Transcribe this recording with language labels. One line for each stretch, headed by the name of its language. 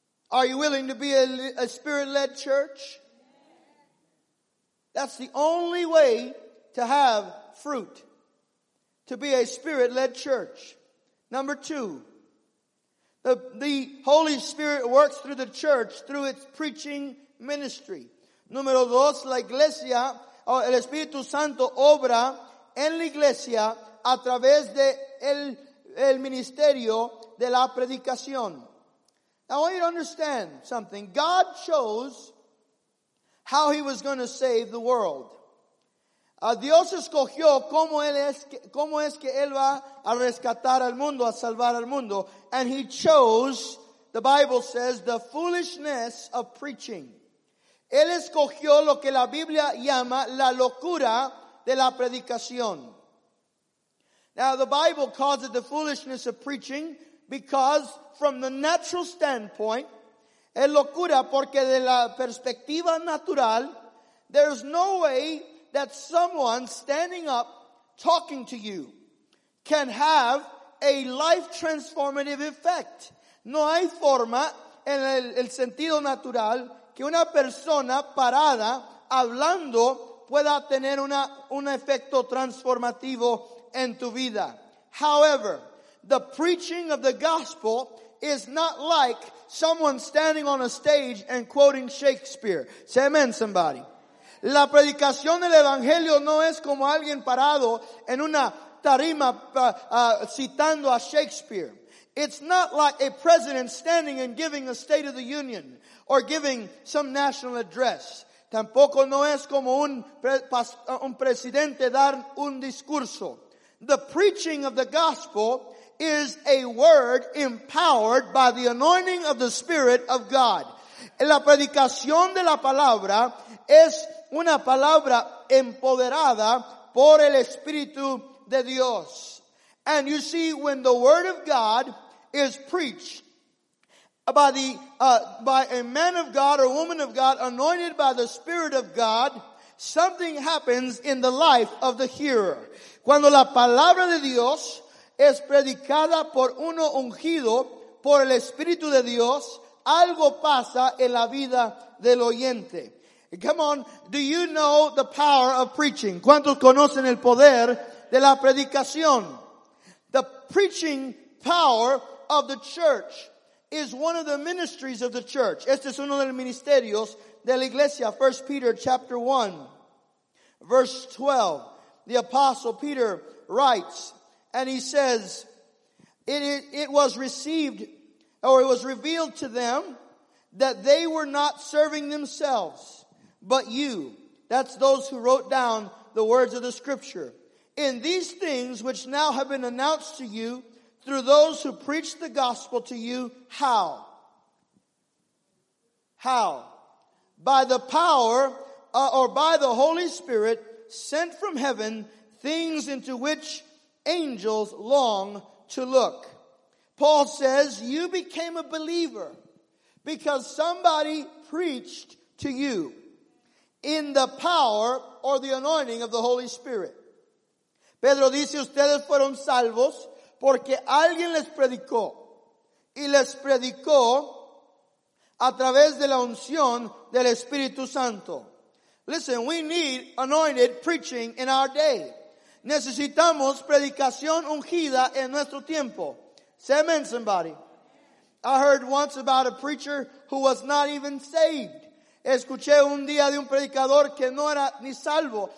English: Are you willing to be a Spirit-led church? That's the only way to have fruit, to be a Spirit-led church. Number two, the Holy Spirit works through the church through its preaching ministry.
Spanish: Número dos, la iglesia, o el Espíritu Santo obra en la iglesia a través de el ministerio de la predicación.
English: Now, I want you to understand something. God chose how He was going to save the world.
Spanish: Dios escogió cómo es que Él va a rescatar al mundo, a salvar al mundo.
English: And He chose, the Bible says, the foolishness of preaching.
Spanish: Él escogió lo que la Biblia llama la locura de la predicación.
English: Now the Bible calls it the foolishness of preaching because from the natural standpoint,
Spanish: es locura porque de la perspectiva natural,
English: there's no way that someone standing up talking to you can have a life transformative effect.
Spanish: No hay forma en el sentido natural que una persona parada hablando pueda tener un efecto transformativo en tu vida.
English: However, the preaching of the gospel is not like someone standing on a stage and quoting Shakespeare. Say amen, somebody.
Spanish: La predicación del evangelio no es como alguien parado en una tarima citando a Shakespeare.
English: It's not like a president standing and giving a State of the Union or giving some national address.
Spanish: Tampoco no es como un presidente dar un discurso.
English: The preaching of the gospel is a word empowered by the anointing of the Spirit of God.
Spanish: La predicación de la palabra es una palabra empoderada por el Espíritu de Dios.
English: And you see, when the word of God is preached by a man of God or woman of God anointed by the Spirit of God, something happens in the life of the hearer.
Spanish: Cuando la palabra de Dios es predicada por uno ungido por el Espíritu de Dios, algo pasa en la vida del oyente.
English: Come on, do you know the power of preaching?
Spanish: ¿Cuántos conocen el poder de la predicación?
English: The preaching power of the church is one of the ministries of the church.
Spanish: Este es uno de los ministerios de la iglesia.
English: 1 Peter chapter 1, verse 12. The apostle Peter writes, and he says, it was received, or it was revealed to them that they were not serving themselves, but you. That's those who wrote down the words of the scripture. In these things which now have been announced to you through those who preach the gospel to you, how? How? By the power, or by the Holy Spirit sent from heaven, things into which angels long to look. Paul says, you became a believer because somebody preached to you in the power or the anointing of the Holy Spirit.
Spanish: Pedro dice, ustedes fueron salvos porque alguien les predicó. Y les predicó a través de la unción del Espíritu Santo.
English: Listen, we need anointed preaching in our day.
Spanish: Necesitamos predicación ungida en nuestro tiempo.
English: Say amen, somebody. I heard once about a preacher who was not even saved.
Spanish: Escuché un día de un predicador que no era ni salvo.